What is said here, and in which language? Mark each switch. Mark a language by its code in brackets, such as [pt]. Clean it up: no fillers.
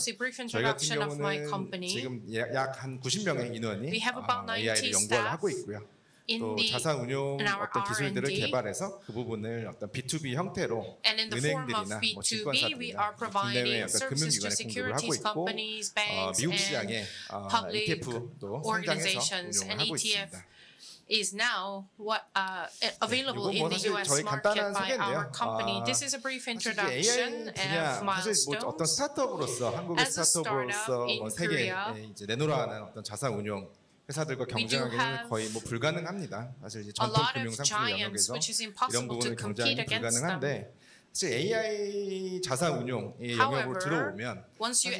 [ko] 저희 같은 경우는 지금 약 한 90명의 인원이 AI를 연구를 하고 있고요. 또 자산 운용 어떤 기술들을 개발해서 그 부분을 어떤 B2B 형태로 은행들이나 뭐 증권사들이나 국내외 어떤 금융기관에 공급을 하고 있고 미국 시장에 ETF도 상장해서 운용을 하고 있습니다. [en] is now what available in the US market by our company. This is a brief introduction of milestones. [ko] 뭐 어떤 스타트업으로서 한국의 스타트업으로서 뭐 세계 이제 내놓으라는 어떤 자산 운용 회사들과 경쟁하기는 거의 뭐 불가능합니다. 사실 이제 전통 금융 상품 영역에서 이런 부분은 굉장히 불가능한데 사실 AI 자산 운용의 영역으로 들어오면 사실